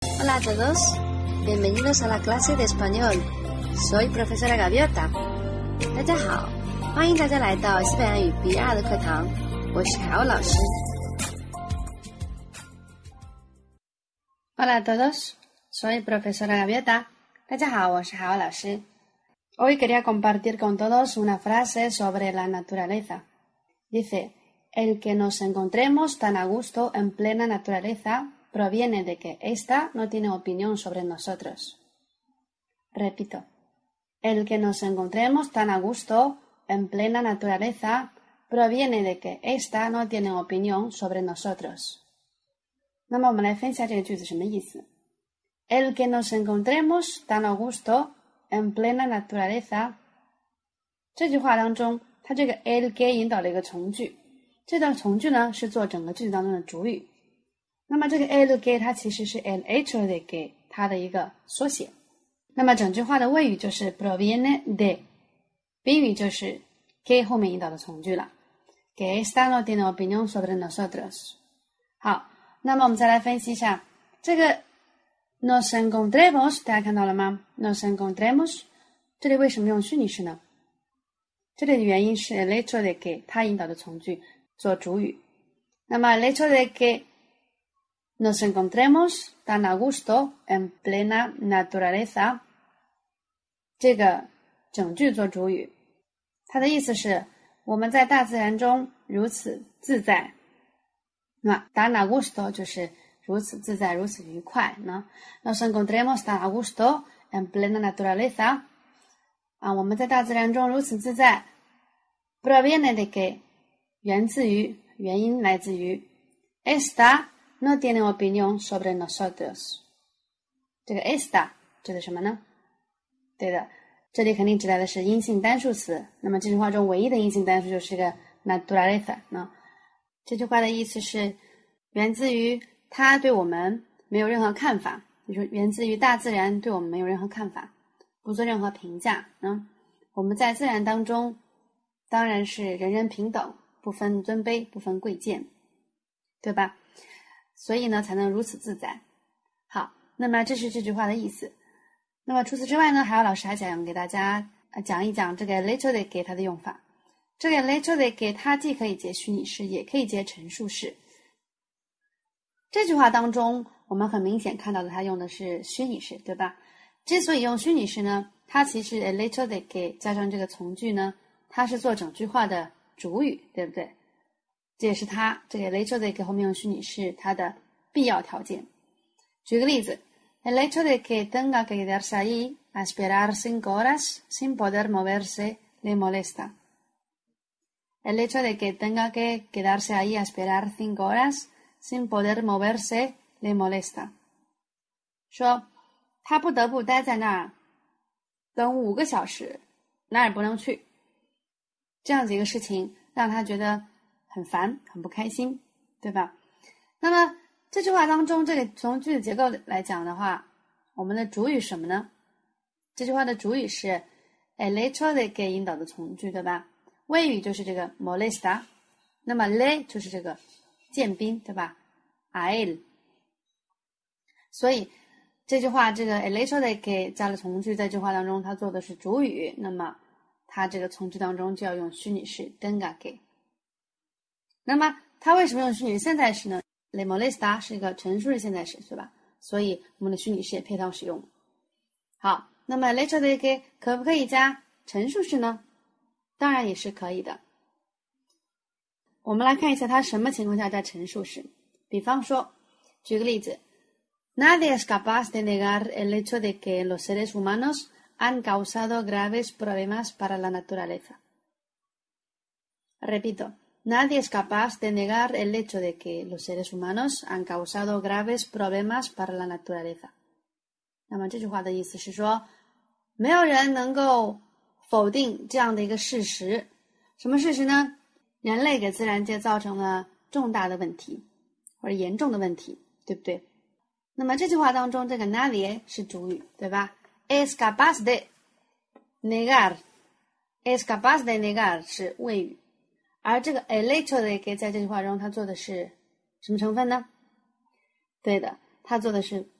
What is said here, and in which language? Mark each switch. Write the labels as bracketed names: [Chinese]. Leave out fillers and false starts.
[Spanish] Hola a todos, bienvenidos a la clase de español. Soy profesora Gaviota. [Chinese] 大家好，欢迎大家来到西班牙语 B2 的课堂。我是凯欧老师。 [Spanish] Hola a todos, soy profesora Gaviota. [Chinese] 大家好，我是凯欧老师。 [Spanish] Hoy quería compartir con todos una frase sobre la naturaleza. Dice, el que nos encontremos tan a gusto en plena naturaleza proviene de que ésta no tiene opinión sobre nosotros. Repito, el que nos encontremos tan a gusto en plena naturaleza proviene de que ésta no tiene opinión sobre nosotros. [Chinese] 那么我们来分享这个句子什么意思。 [Spanish] El que nos encontremos tan a gusto en plena naturaleza, [Chinese] 这句话当中它这个 el que 引导了一个从句，这段从句呢是做整个句子当中的主语。那么这个 el que 它其实是 el hecho de que 它的一个缩写。那么整句话的谓语就是 proviene de, 宾语就是 que 后面引导的从句了。 [Spanish] Que esta no tiene opinión sobre nosotros. [Chinese] 好，那么我们再来分析一下这个Nos encontremos, 大家看到了吗 ?Nos encontremos, 这里为什么用虚拟式呢？这里的原因是 el hecho de que, 它引导的从句做主语。那么 [Spanish] el hecho de que nos encontremos tan a gusto en plena naturaleza, [Chinese] 这个整句做主语。它的意思是我们在大自然中如此自在。那 tan a gusto 就是如此自在，如此愉快呢 ？ [Spanish] Nos encontremos tan a gusto en plena naturaleza. [Chinese] 啊，我们在大自然中如此自在。Proviene de que 源自于，原因来自于。 [Spanish] Esta no tiene opinión sobre nosotros. [Chinese] 这个 esta 指的什么呢？对的，这里肯定指代的是阴性单数词。那么这句话中唯一的阴性单数就是个 naturaleza. 那这句话的意思是源自于。他对我们没有任何看法，就是源自于大自然对我们没有任何看法，不做任何评价。嗯，我们在自然当中当然是人人平等，不分尊卑，不分贵贱，对吧？所以呢才能如此自在。好，那么这是这句话的意思。那么除此之外呢，还有老师还想给大家讲一讲这个 later day 给它的用法。这个 later day 给它既可以解虚拟式，也可以解陈述式。这句话当中我们很明显看到的它用的是虚拟式，对吧？之所以用虚拟式呢，它其实 el hecho de que 加上这个从句呢，它是做整句话的主语，对不对？这也是它这个 el hecho de que 后面用虚拟式它的必要条件。举个例子， [Spanish] el hecho de que tenga que quedarse ahí a esperar 5 horas sin poder moverse le molesta. El hecho de que tenga que quedarse ahí a esperar 5 horas sin poder moverse, le molesta. [Chinese] 说他不得不待在那儿等五个小时，哪儿不能去。这样子一个事情让他觉得很烦，很不开心，对吧？那么这句话当中，这个从句子结构来讲的话，我们的主语什么呢？这句话的主语是 el hecho de que 引导的从句，对吧？谓语就是这个 molesta, 那么 le 就是这个见宾，对吧 ？A él， 所以这句话这个 el hecho de que 加了从句，在这句话当中它做的是主语，那么它这个从句当中就要用虚拟式 tenga que。那么它为什么用虚拟现在式呢 ？Le molesta 是一个陈述式现在式，是吧？所以我们的虚拟式也配套使用。好，那么 el hecho de que 可不可以加陈述式呢？当然也是可以的。我们来看一下它什么情况下加陈述式。比方说，举个例子 [Spanish] ，Nadie es capaz de negar el hecho de que los seres humanos han causado graves problemas para la naturaleza. Repito, nadie es capaz de negar el hecho de que los seres humanos han causado graves problemas para la naturaleza. [Chinese] 那么这句话的意思是说，没有人能够否定这样的一个事实。什么事实呢？人类给自然界造成了重大的问题，或者严重的问题，对不对？那么这句话当中，这个 nadie 是主语，对吧 ？Es capaz de negar，es capaz de negar 是谓语，而这个 el hecho de que 在这句话中，它做的是什么成分呢？对的，它做的是